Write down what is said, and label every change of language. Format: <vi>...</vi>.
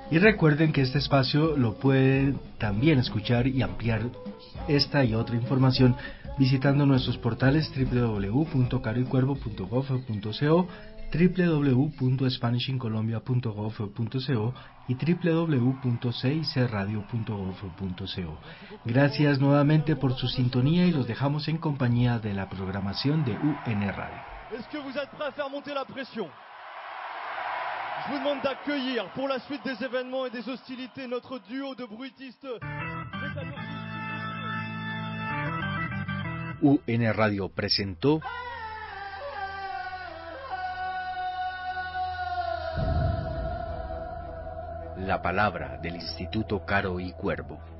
<es>Y recuerden que este espacio lo pueden también escuchar y ampliar esta y otra información visitando nuestros portales www.caroycuervo.gov.co, www.spanishincolombia.gov.co y www.cicradio.gov.co. Gracias nuevamente por su sintonía y los dejamos en compañía de la programación de UN Radio.</es> <fr>Est-ce que vous êtes prêts à faire monter la pression? Je vous demande d'accueillir pour la suite des événements et des hostilités notre duo de bruitistes.</fr> <es>UN Radio presentó la palabra del Instituto Caro y Cuervo.</es>